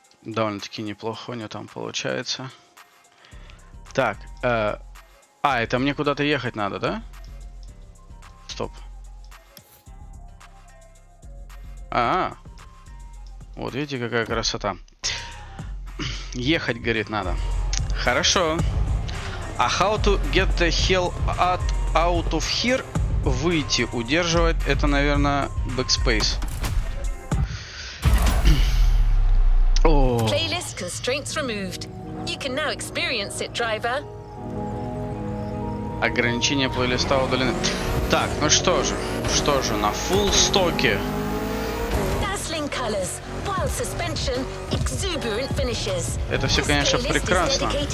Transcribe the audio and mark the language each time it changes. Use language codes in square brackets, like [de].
[ru] Довольно-таки неплохо у него там получается. Так. Это мне куда-то ехать надо, да? Стоп. Вот видите, какая красота. Ехать, говорит, надо. Хорошо. [en] А how to get the hell out of here? [ru] Выйти, удерживать. Это, наверное, backspace. [en] Playlist constraints removed. You can now experience it, driver. [ru] Ограничения плейлиста удалены. Так, ну что же, на full стоке. [en] Dazzling colors, wild suspension, exuberant finishes. [ru] Это все, конечно, прекрасно.